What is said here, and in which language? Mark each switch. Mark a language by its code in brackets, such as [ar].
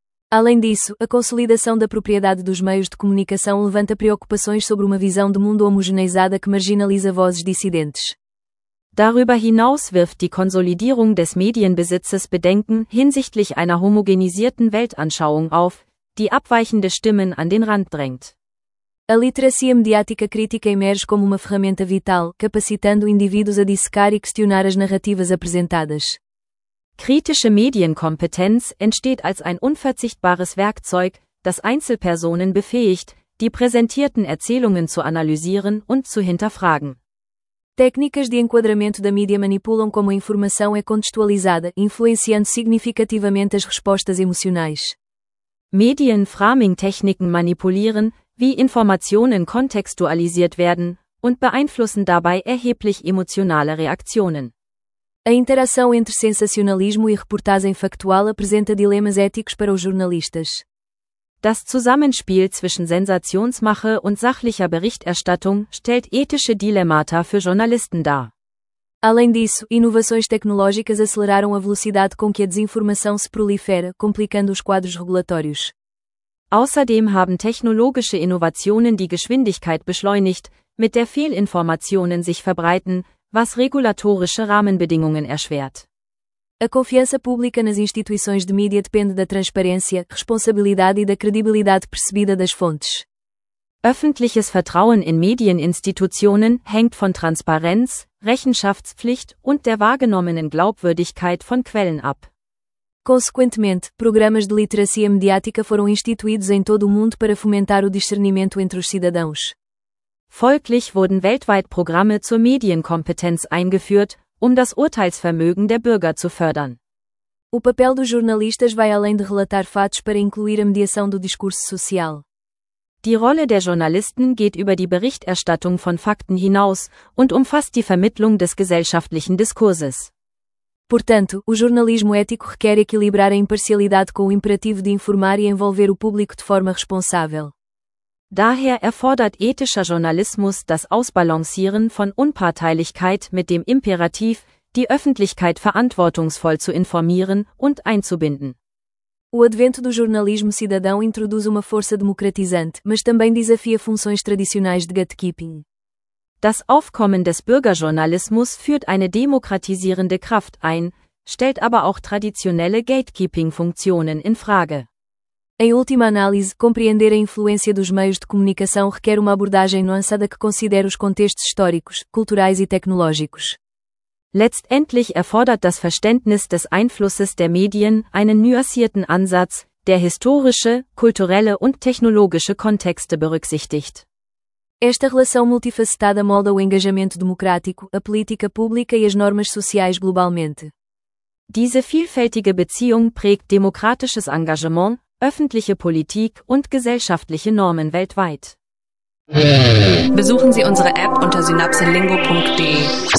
[pt] Além disso, a consolidação da propriedade dos meios de comunicação levanta preocupações sobre uma visão de mundo homogeneizada que marginaliza vozes dissidentes. [de] Darüber hinaus wirft die Konsolidierung des Medienbesitzes Bedenken hinsichtlich einer homogenisierten Weltanschauung auf, die abweichende Stimmen an den Rand drängt. [pt] A literacia mediática crítica emerge como uma ferramenta vital, capacitando indivíduos a dissecar e questionar as narrativas apresentadas. [de] Kritische Medienkompetenz entsteht als ein unverzichtbares Werkzeug, das Einzelpersonen befähigt, die präsentierten Erzählungen zu analysieren und zu hinterfragen. [pt] Técnicas de enquadramento da mídia manipulam como a informação é contextualizada, influenciando significativamente as respostas emocionais. [de] Medienframing-Techniken manipulieren, wie Informationen kontextualisiert werden, und beeinflussen dabei erheblich emotionale Reaktionen. [pt] A interação entre sensacionalismo e reportagem factual apresenta dilemas éticos para os jornalistas. [de] Das Zusammenspiel zwischen Sensationsmache und sachlicher Berichterstattung stellt ethische Dilemmata für Journalisten dar. [pt] Além disso, inovações tecnológicas aceleraram a velocidade com que a desinformação se prolifera, complicando os quadros regulatórios. [de] Außerdem haben technologische Innovationen die Geschwindigkeit beschleunigt, mit der Fehlinformationen sich verbreiten, was regulatorische Rahmenbedingungen erschwert. [pt] A confiança pública nas instituições de mídia depende da transparência, responsabilidade e da credibilidade percebida das fontes. [de] Öffentliches Vertrauen in Medieninstitutionen hängt von Transparenz, Rechenschaftspflicht und der wahrgenommenen Glaubwürdigkeit von Quellen ab. [pt] Consequentemente, programas de literacia mediática foram instituídos em todo o mundo para fomentar o discernimento entre os cidadãos. [de] Folglich wurden weltweit Programme zur Medienkompetenz eingeführt, um das Urteilsvermögen der Bürger zu fördern. [pt] O papel dos jornalistas vai além de relatar fatos para incluir a mediação do discurso social. [de] Die Rolle der Journalisten geht über die Berichterstattung von Fakten hinaus und umfasst die Vermittlung des gesellschaftlichen Diskurses. [pt] Portanto, o jornalismo ético requer equilibrar a imparcialidade com o imperativo de informar e envolver o público de forma responsável. [de] Daher erfordert ethischer Journalismus das Ausbalancieren von Unparteilichkeit mit dem Imperativ, die Öffentlichkeit verantwortungsvoll zu informieren und einzubinden. [pt] O advento do jornalismo cidadão introduz uma força democratizante, mas também desafia funções tradicionais de gatekeeping. [de] Das Aufkommen des Bürgerjournalismus führt eine demokratisierende Kraft ein, stellt aber auch traditionelle Gatekeeping-Funktionen in Frage. [pt] Em última análise, compreender a influência dos meios de comunicação requer uma abordagem nuançada que considere os contextos históricos, culturais e tecnológicos. [de] Letztendlich erfordert das Verständnis des Einflusses der Medien einen nuancierten Ansatz, der historische, kulturelle und technologische Kontexte berücksichtigt. [pt] Esta relação multifacetada molda o engajamento democrático, a política pública e as normas sociais globalmente. [de] Diese vielfältige Beziehung prägt demokratisches Engagement, öffentliche Politik und gesellschaftliche Normen weltweit. Besuchen Sie unsere App unter synapsenlingo.de.